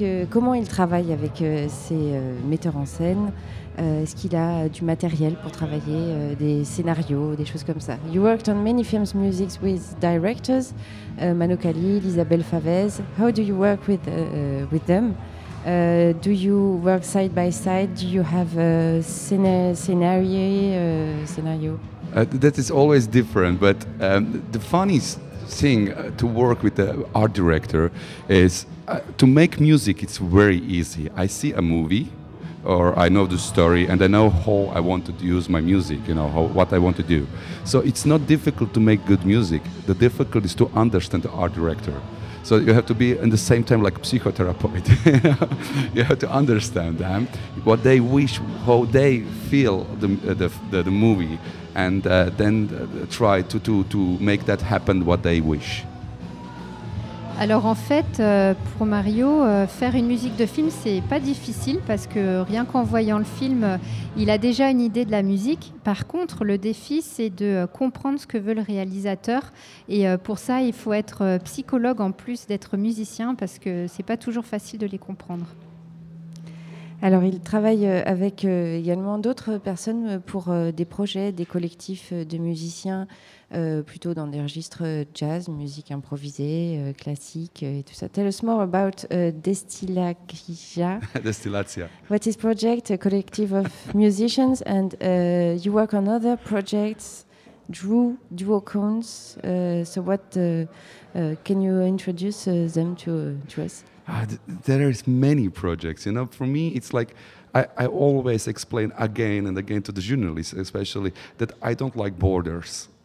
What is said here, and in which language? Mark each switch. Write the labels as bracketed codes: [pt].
[fr] Comment il travaille avec ces metteurs en scène? Est-ce qu'il a du matériel pour travailler, des scénarios, des choses comme ça? [en] You worked on many films' musics with directors, Mano Khalil, Isabelle Favez. How do you work with them? Do you work side by side? Do you have a scenario? That is always different, but the funniest thing to work with the art director is to make music, it's very easy. I see a movie, or I know the story, and I know how I want to use my music, you know, what I want to do. So it's not difficult to make good music. The difficult is to understand the art director. So you have to be in the same time like a psychotherapeut. You have to understand them, what they wish, how they feel the movie, and then try to make that happen what they wish. [fr] Alors en fait, pour Mario, faire une musique de film, c'est pas difficile, parce que rien qu'en voyant le film, il a déjà une idée de la musique. Par contre, le défi, c'est de comprendre ce que veut le réalisateur. Et pour ça, il faut être psychologue en plus d'être musicien, parce que c'est pas toujours facile de les comprendre. Alors, il travaille avec également d'autres personnes pour des projets, des collectifs de musiciens, plutôt dans des registres jazz, musique improvisée, classique et tout ça. [en] Tell us more about Destillacia. Destillacia. What is project? A collective of musicians, and you work on other projects, duocons. So what can you introduce them to us? There is many projects, you know. For me, it's like I always explain again and again to the journalists, especially, that I don't like borders.